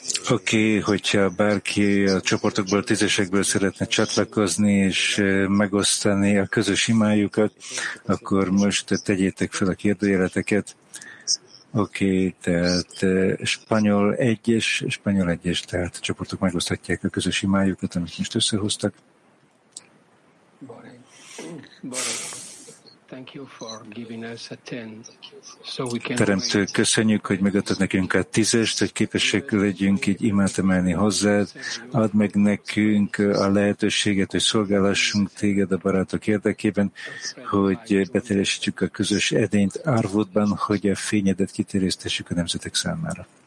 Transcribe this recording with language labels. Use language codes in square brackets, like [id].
[hu] Oké, hogyha bárki a csoportokból, tízesekből szeretne csatlakozni és megosztani a közös imájukat, akkor most tegyétek fel a kérdőjeleteket. Oké, tehát spanyol egyes, tehát a csoportok megoszthatják a közös imájukat, amit most összehoztak. [en] Thank you for giving us a 10, so we can. [hu] Teremtő, köszönjük, hogy megadtad nekünk a tízest, hogy képesek legyünk így imát emelni hozzád. Add meg nekünk a lehetőséget, hogy szolgálassunk téged a barátok érdekében, hogy beteljesítsük a közös edényt Árvodban, hogy a fényedet kiterjesztessük a nemzetek számára.